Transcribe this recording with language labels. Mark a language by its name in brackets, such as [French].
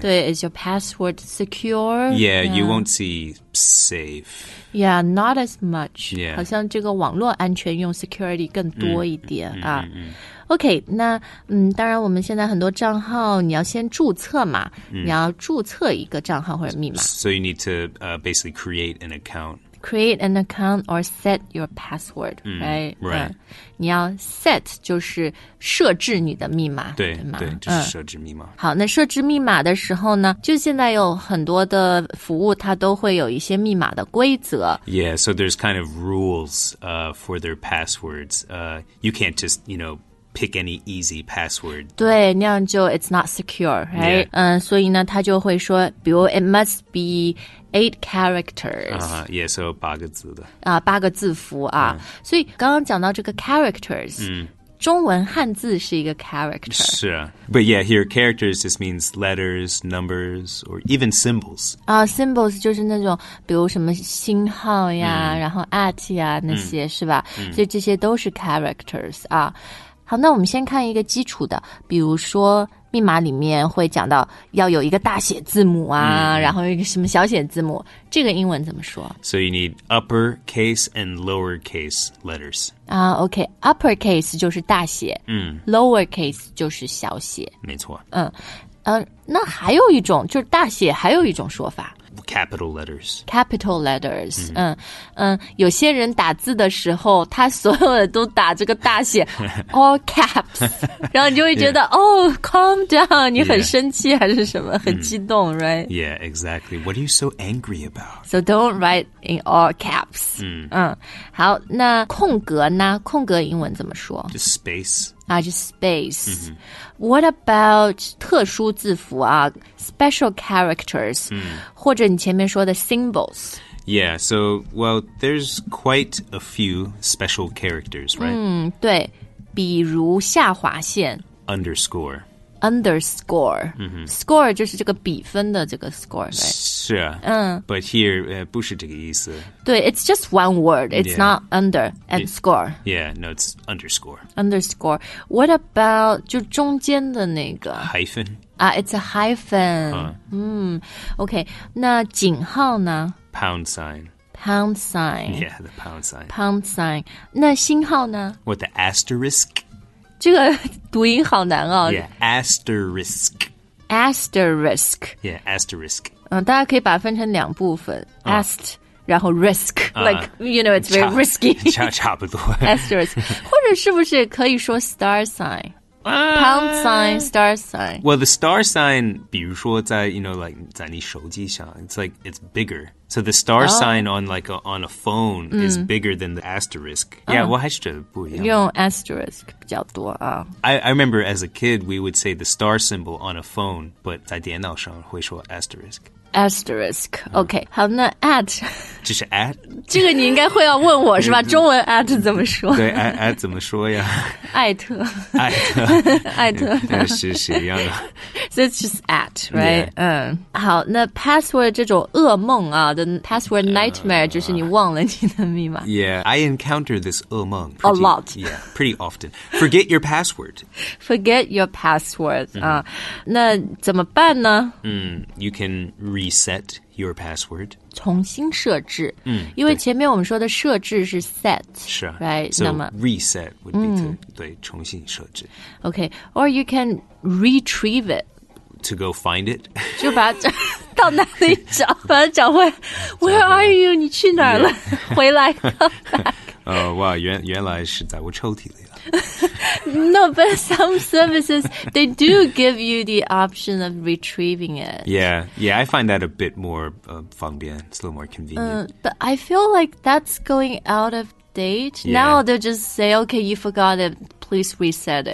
[English] 对 is your password secure yeah, yeah you won't see safe yeah not as much yeah [Chinese] 好像这个网络安全用 security 更多一点、OK, 那、当然我们现在很多账号你要先注册嘛、你要注册一个账号或者密码。 [English] So you need to、basically create an account. Create an account or set your password,、right? Right.、 [Chinese] 你要 set 就是设置你的密码。对, 对, 吗对就是设置密码、好那设置密码的时候呢就现在有很多的服务它都会有一些密码的规则。 [English] Yeah, so there's kind of rules、for their passwords.、you can't just, you know,pick any easy password. [Chinese] 对那样就 [English] it's not secure, right? Yeah.、 [Chinese] 所以呢他就会说比如 [English] it must be 8 characters. Yeah, so [Chinese] 八个字的。八个字符啊。所以刚刚讲到这个 characters,、中文汉字是一个 character. 是啊。 [English] But yeah, here characters just means letters, numbers, or even symbols. [Chinese] Symbols 就是那种比如什么星号呀、然后 at 呀那些、是吧、所以这些都是 characters 啊。好那我们先看一个基础的比如说密码里面会讲到要有一个大写字母啊、然后一个什么小写字母这个英文怎么说 [English] So you need uppercase and lowercase letters. [Chinese] OK, uppercase 就是大写、lowercase 就是小写。没错。那还有一种就是大写还有一种说法。 [English] Capital letters. Capital letters.、 [Chinese] 有些人打字的时候他所有的都打这个大写 all caps. 然后你就会觉得、 [English] calm down, [Chinese] 你很生气还是什么、很激动、 [English] right? Yeah, exactly. What are you so angry about? So don't write in all caps.、好那空格呢空格英文怎么说 Just space. Just space.、What about [Chinese] 特殊字符啊 [English] special characters,、或者你前面说的 symbols? Yeah, so, well, there's quite a few special characters, right?、 [Chinese] 对,比如下划线。 [English] Underscore. Underscore.、 Score 就是这个比分的这个 score, right? [Chinese] 是啊、 [English] But here, [Chinese] 不是这个意思。 [English] 对, it's just one word. It's、yeah. not under and score. Yeah, no, it's underscore. Underscore. What about [Chinese] 就中间的那个 [English] Hyphen? It's a hyphen.、Okay, [Chinese] 那井号呢 [English] Pound sign. Pound sign. Yeah, the pound sign. Pound sign. [Chinese] 那星号呢 [English] What, the asterisk? [Chinese] 这个读音好难哦。 [English] Yeah, asterisk. Asterisk. Yeah, asterisk.、 [Chinese] 大家可以把它分成两部分、 [English] Ast, 然后 risk.、Like, you know, it's very risky. [Chinese] 差不多。 [English] Asterisk. [Chinese] 或者是不是可以说 star sign? [English] Pound sign, star sign. Well, the star sign, [Chinese] 比如说在, [English] you know, like, [Chinese] 在你手机上, [English] it's like, it's bigger. So the star、sign on, like, on a phone、is bigger than the asterisk.、Yeah, [Chinese] 我还是觉得不一样。用 asterisk 比较多啊。 [English] I remember as a kid, we would say the star symbol on a phone, but [Chinese] 在电脑上会说 [English] asterisk. Asterisk, OK,、 [Chinese] 好那 [English] at [Chinese] 这是 at? 这个你应该会要问我是吧中文 at 怎么说对 at 怎么说呀艾特艾特艾特是一样的 [English] So it's just at, right?、 [Chinese] 好那 password 这种噩梦啊 [English] the password nightmare [Chinese] 就是你忘了你的密码 [English] Yeah, I encounter this 噩梦 A lot Yeah, pretty often Forget your password Forget your password、 [Chinese] 那怎么办呢、 [English] You canreset your password [Chinese] 重新设置、因为前面我们说的设置是 set 是、 [English] right? so [Chinese] 那么 [English] reset would be、 [Chinese] 对重新设置 [English] OK or you can retrieve it to go find it [Chinese] 就把它到哪里找把它找回 [English] where are you [Chinese] 你去哪儿了、回来哇原来是在我抽屉里 [English] no, but some services, they do give you the option of retrieving it. Yeah, yeah, I find that a bit more 方便, it's a little more convenient.、 But I feel like that's going out of date.、 Yeah. Now they'll just say, okay, you forgot it, please reset it.